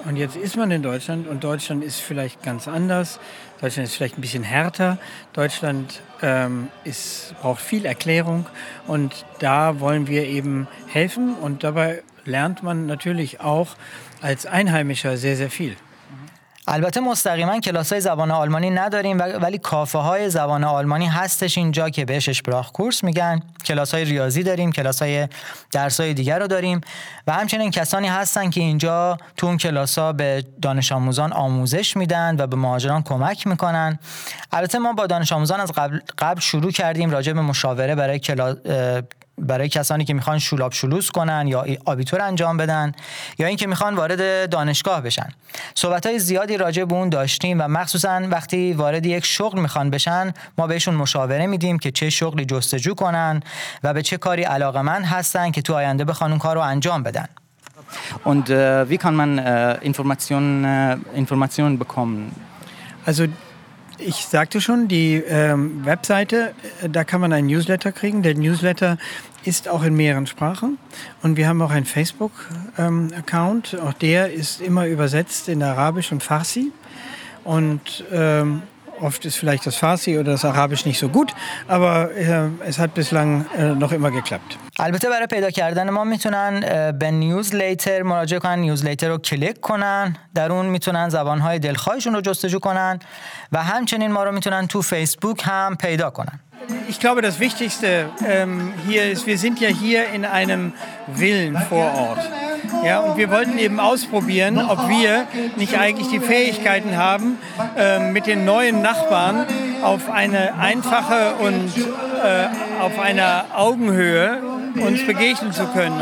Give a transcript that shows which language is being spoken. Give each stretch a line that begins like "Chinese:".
German: Und jetzt ist man in Deutschland und Deutschland ist vielleicht ganz anders. Deutschland ist vielleicht ein bisschen härter. Deutschland braucht viel Erklärung und da wollen wir eben helfen. Und dabei lernt man natürlich auch als Einheimischer sehr, sehr viel.
Persian: البته مستقیما کلاس‌های زبان آلمانی نداریم ولی کافه‌های زبان آلمانی هستش اینجا که بهش اشپراخ کورس میگن. کلاس‌های ریاضی داریم، کلاس‌های درس‌های دیگر رو داریم و همچنین کسانی هستن که اینجا تو اون کلاس‌ها به دانش آموزان آموزش میدن و به مهاجران کمک میکنن. البته ما با دانش آموزان از قبل شروع کردیم راجع به مشاوره برای کسانی که میخوان شولاب شلوس کنن یا آبیتور انجام بدن یا اینکه میخوان وارد دانشگاه بشن. صحبت‌های زیادی راجع به اون داشتیم و مخصوصاً وقتی وارد یک شغل میخوان بشن ما بهشون مشاوره میدیم که چه شغلی جستجو کنن و به چه کاری علاقه‌مند هستن که تو آینده بخوان اون کارو انجام بدن.
German: Und wie kann man Informationen bekommen? Also ich sagte schon, die Webseite, da kann man einen Newsletter kriegen. Der Newsletter ist auch in mehreren Sprachen. Und wir haben auch einen Facebook-Account. Auch der ist immer übersetzt in Arabisch und Farsi. Und oft ist vielleicht das Farsi oder das Arabisch nicht so gut, aber es hat bislang noch immer geklappt.
Persian: البته برای پیدا کردن ما میتونن به نیوزلیتر مراجعه کنن، نیوزلیتر رو کلیک کنن، در اون میتونن زبانهای دلخواهشون رو جستجو کنن و همچنین ما رو میتونن تو فیسبوک هم پیدا کنن.
German: Ich glaube, das Wichtigste hier ist, wir sind ja hier in einem Villen vor Ort. Ja, und wir wollten eben ausprobieren, ob wir nicht eigentlich die Fähigkeiten haben, mit den neuen Nachbarn auf eine einfache und auf einer Augenhöhe uns begegnen zu können.